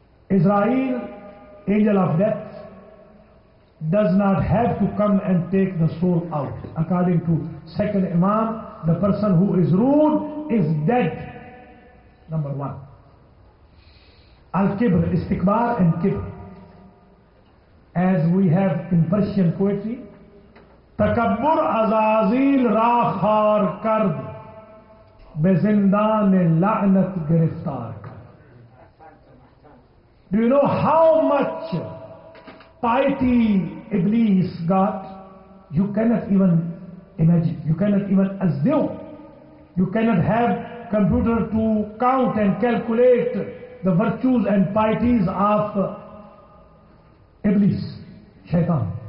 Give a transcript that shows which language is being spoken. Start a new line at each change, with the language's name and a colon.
English: Israel, angel of death, does not have to come and take the soul out. According to second Imam, the person who is rude is dead, number one. Al-kibr, istikbar and kibr. As we have in Persian poetry,
Persian: تکبر عزازیل را خار کرد به زندان لعنت گرفتار کرد.
English: Do you know how much piety Iblis got? You cannot even imagine. You cannot even assume. You cannot have computer to count and calculate the virtues and pieties of Iblis, Shaitan.